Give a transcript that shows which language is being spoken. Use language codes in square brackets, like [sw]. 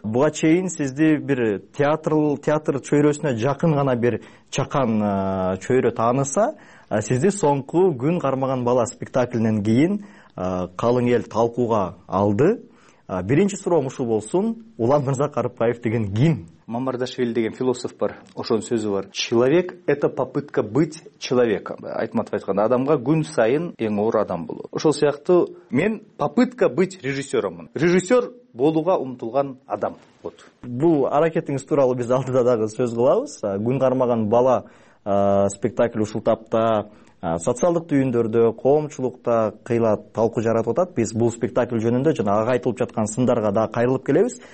[ky] Буга чейин сизди бир театр чөйрөсүнө жакын гана бир чакан чөйрө тааныса, сизди соңку Күн кармаган бала спектаклинен кийин калың эл талкууга алды. Биринчи суроом ушул болсун: Улан Мырза Карыпбаев деген ким? Мамардашвили деген философ бар, ошонун сөзү бар. [ru] Человек — это попытка быть человеком. [ky] Айтматов айтканда, адамга күн сайын эң оор адам болуу. Ошол сыяктуу мен [ru] попытка быть [ky] режиссёромун. Режиссёр болууга умтулган адам. [ru] Вот. [ky] Бул аракетиңиз тууралуу биз алдыда дагы сөз кылабыз. Күн кармаган бала спектакль ушул тапта социалдык түйүндөрдө, коомчулукта кыйла талкуу жаратып атат. Биз бул спектакль жөнүндө жана ага айтылып жаткан сындарга да кайрылып келебиз.